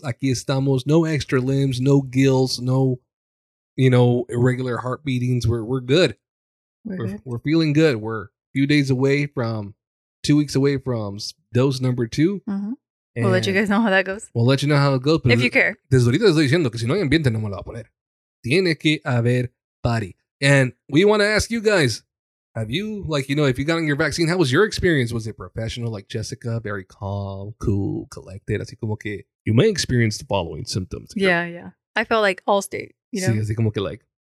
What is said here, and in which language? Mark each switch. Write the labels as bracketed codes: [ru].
[es] Aquí estamos. [en] No extra limbs, no gills, no, you know, irregular heart beatings. We're good. We're feeling good. We're a few days away from, 2 weeks away from dose number two. Mm-hmm. We'll let you guys know how that goes. We'll let you know how it goes. But if you care. [es] Desde ahorita estoy diciendo que si no hay ambiente, no me lo voy a poner. Tiene que haber party. [en] And we want to ask you guys, have you, like, you know, if you got on your vaccine, how was your experience? Was it professional, like Jessica, very calm, cool, collected? [es] Así como que [en] you may experience the following symptoms. Yeah. I felt like all state, you know? [es] Sí, así como que like.